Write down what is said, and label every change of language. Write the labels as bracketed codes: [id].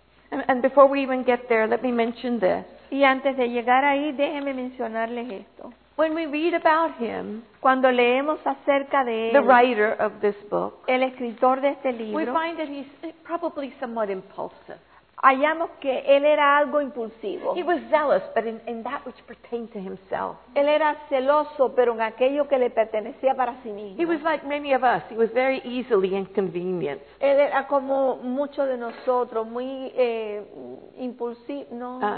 [en] And before we even get there, let me mention this. [es] Y antes de llegar ahí, déjeme mencionarles esto. [en] When we read about him, [es] cuando leemos acerca de él, [en] the writer of this book, [es] el escritor de este libro, [en] we find that he's probably somewhat impulsive. [es] Hallamos que él era algo impulsivo. [en] He was zealous, but in that which pertained to himself. [es] Él era celoso, pero en aquello que le pertenecía para sí mismo. [en] He was like many of us. He was very easily inconvenienced. [es] Él era como muchos de nosotros, muy impulsivo, ¿no?